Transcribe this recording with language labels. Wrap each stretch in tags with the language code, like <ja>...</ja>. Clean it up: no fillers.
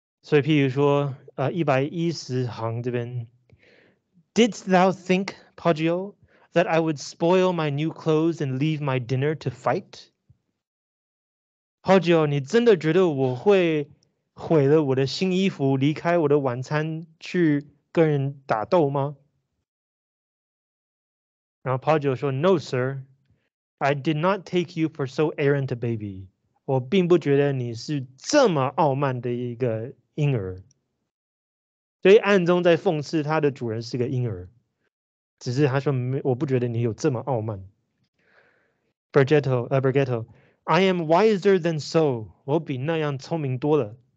<zh>所以譬如说110行这边</zh> <en>Didst thou think, Poggio, that I would spoil my new clothes and leave my dinner to fight?</en> <zh>Poggio, 你真的觉得我会毁了我的新衣服离开我的晚餐去跟人打斗吗？然后</zh> <en>Poggio</en> <zh>说</zh> <en>No, sir, I did not take you for so arrant a baby.</en> <zh>我并不觉得你是这么傲慢的一个婴儿。所以暗中在讽刺他的主人是个婴儿，只是他说我不觉得你有这么傲慢。</zh> <en>Brigetto, I am wiser than so,</en> <zh>我比那样聪明多了。</zh>